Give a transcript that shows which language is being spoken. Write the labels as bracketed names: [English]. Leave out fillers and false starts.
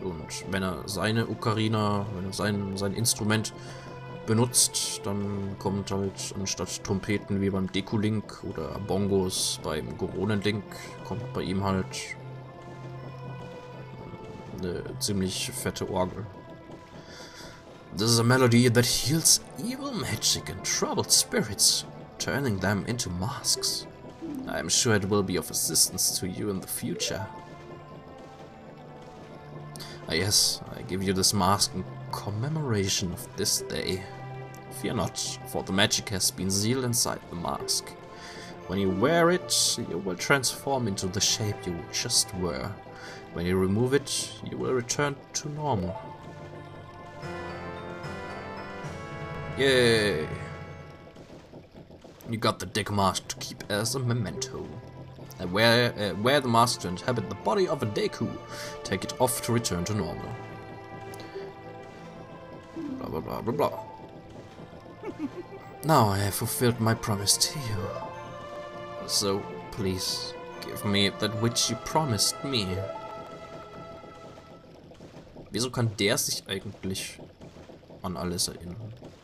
[German] Und wenn er seine Ocarina, wenn er sein Instrument benutzt, dann kommt halt anstatt Trompeten wie beim Deku-Link oder Bongos beim Goronen-Link, kommt bei ihm halt eine ziemlich fette Orgel. [English] This is a melody that heals evil magic and troubled spirits, turning them into masks. I'm sure it will be of assistance to you in the future. Ah yes, I give you this mask in commemoration of this day. Fear not, for the magic has been sealed inside the mask. When you wear it, you will transform into the shape you just were. When you remove it, you will return to normal. Yay! You got the dick mask to keep as a memento. Wear the mask to inhabit the body of a Deku. Take it off to return to normal. Blah blah blah blah blah. Now I have fulfilled my promise to you. So please give me that which you promised me. [German] Wieso kann der sich eigentlich an alles erinnern?